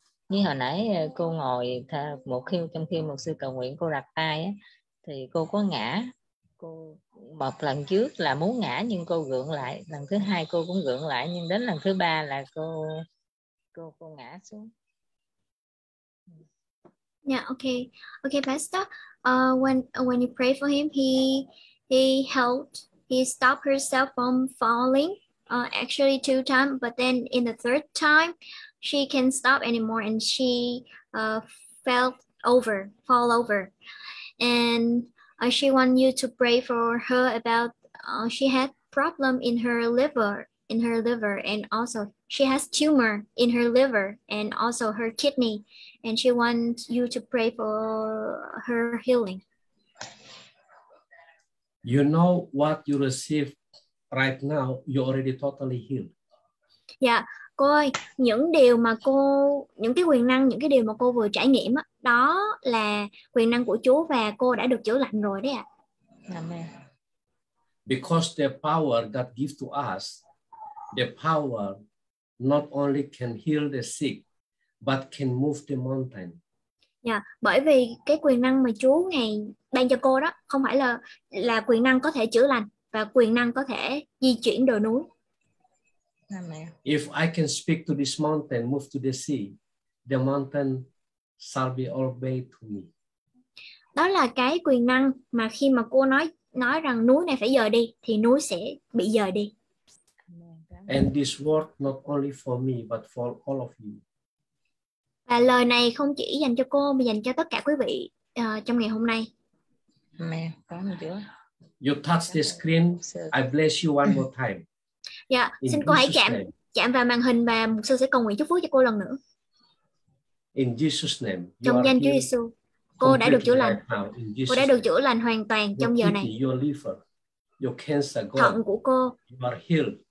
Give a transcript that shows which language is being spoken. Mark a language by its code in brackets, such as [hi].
[vi] Như hồi nãy cô ngồi một khi trong khi mục sư cầu nguyện cô đặt tay thì cô có ngã. Cô một lần trước là muốn ngã nhưng cô gượng lại, lần thứ hai cô cũng gượng lại, nhưng đến lần thứ ba là cô ngã xuống. [en] Yeah, okay, Pastor. When you pray for him, he stopped herself from falling. Actually, two times, but then in the third time, she can't stop anymore, and she fell over, and she wants you to pray for her about she had problem in her liver, and also she has tumor in her liver and also her kidney. And she wants you to pray for her healing. You know what you receive right now, you already totally healed. [vi] Yeah, cô ơi, những điều mà cô, những cái quyền năng, những cái điều mà cô vừa trải nghiệm đó là quyền năng của Chúa và cô đã được chữa lành rồi đấy ạ. Amen. [en] Because the power God gives to us, the power not only can heal the sick, but can move the mountain. [vi] Yeah, bởi vì cái quyền năng mà Chúa ngài ban cho cô đó không phải là quyền năng có thể chữa lành và quyền năng có thể di chuyển đồi núi. Amen. [en] If I can speak to this mountain, move to the sea, the mountain shall be obeyed to me. [vi] Đó là cái quyền năng mà khi mà cô nói rằng núi này phải dời đi thì núi sẽ bị dời đi. [en] And this word not only for me but for all of you. [vi] Và lời này không chỉ dành cho cô mà dành cho tất cả quý vị trong ngày hôm nay. Mẹ, có một chút. [en] You touch the screen, I bless you one more time. [vi] Dạ, xin cô hãy chạm vào màn hình và mục sư sẽ cầu nguyện chúc phước cho cô lần nữa. [en] In Jesus name. [vi] Trong danh Chúa Giêsu. Cô đã được chữa lành. Cô đã được chữa lành hoàn toàn trong giờ này. [en] Your liver, your cancer, [vi] thận của cô. [en] You are healed.